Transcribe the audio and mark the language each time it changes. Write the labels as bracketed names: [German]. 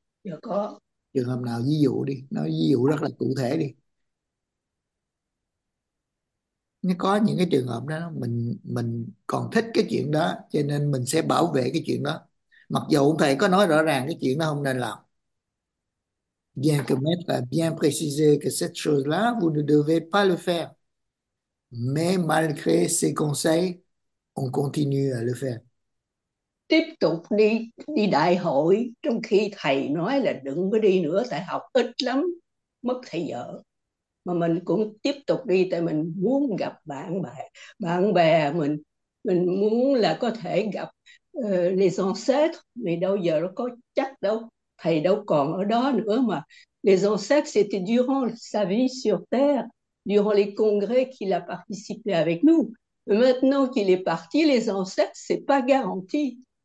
[Vietnamese] Dạ có. Trường hợp nào, ví dụ đi, nói ví dụ rất là cụ thể đi. Nó có những cái trường hợp đó mình còn thích cái chuyện đó cho nên mình sẽ bảo vệ cái chuyện đó. Mặc dù thầy có nói rõ ràng cái chuyện đó không nên làm. [French] Bien que maître a bien précisé que cette chose-là, vous ne devez pas le faire. Mais malgré ses conseils, on continue à le faire. [Vietnamese] tiếp tục đi đi đại hội, trong khi thầy nói là đừng có đi nữa tại học ít lắm, mất thời giờ. Mà mình cũng tiếp tục đi tại mình muốn gặp bạn bè, mình muốn là có thể gặp les ancêtres, vì đâu giờ nó có chắc đâu, thầy đâu còn ở đó nữa mà. [French] Les ancêtres c'était durant sa vie sur terre, durant les congrès qu'il a participé avec nous. Maintenant qu'il est parti, les ancêtres, ce n'est pas garanti.